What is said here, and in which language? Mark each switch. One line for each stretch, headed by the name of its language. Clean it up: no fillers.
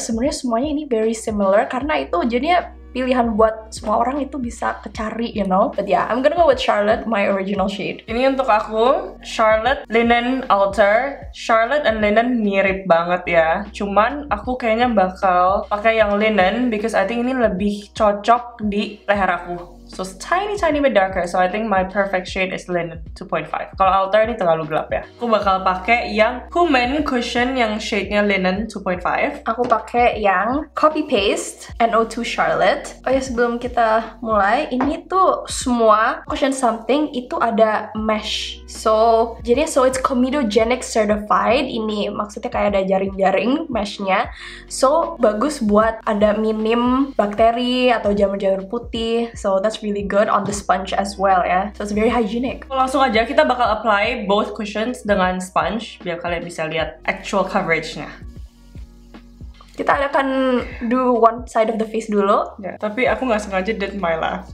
Indonesian: Sebenarnya semuanya ini
English: very similar
Indonesian: karena itu jadinya pilihan buat semua orang itu bisa kecari,
English: you know. But yeah, I'm gonna go with Charlotte, my original shade.
Indonesian: Ini untuk aku, Charlotte, Linen, Alter. Charlotte and Linen mirip banget ya. Cuman aku kayaknya bakal pakai yang Linen
English: because I think
Indonesian: ini lebih cocok di leher aku.
English: So it's tiny bit darker, so I think my perfect shade is Linen 2.5.
Indonesian: Kalau Alter ini terlalu gelap ya. Aku bakal pakai yang Human Cushion yang shade-nya Linen 2.5. Aku pakai yang Copy Paste NO2 Charlotte. Oh ya, sebelum kita mulai, ini tuh semua cushion something itu ada mesh.
English: So jadi so it's comedogenic certified.
Indonesian: Ini maksudnya kayak ada jaring-jaring mesh-nya. So bagus buat ada minim bakteri atau jamur-jamur putih.
English: So that's really good on the sponge as well ya. So it's very hygienic.
Indonesian: Langsung aja kita bakal
English: apply both cushions
Indonesian: dengan sponge biar kalian bisa lihat
English: actual coverage-
Indonesian: nya. Kita akan
English: do one side of the face
Indonesian: dulu. Ya, tapi aku enggak sengaja
English: did my laugh.